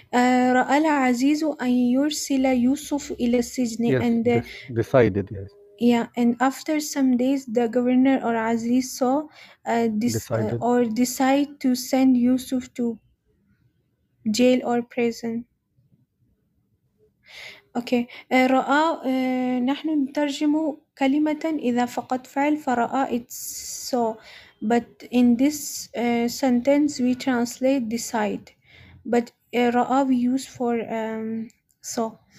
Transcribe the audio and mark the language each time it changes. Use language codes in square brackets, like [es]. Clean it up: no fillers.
[ar] رأى العزيز أن يرسل يوسف إلى السجن. [en] Yes, and decided. Yes. Yeah, and after some days, the governor or Aziz saw decide to send Yusuf to jail or prison. Okay. [ar] رأى, نحن نترجم كلمة إذا فقط فعل فرأى, [en] it's saw. But in this sentence, we translate decide. But رأى we use for saw.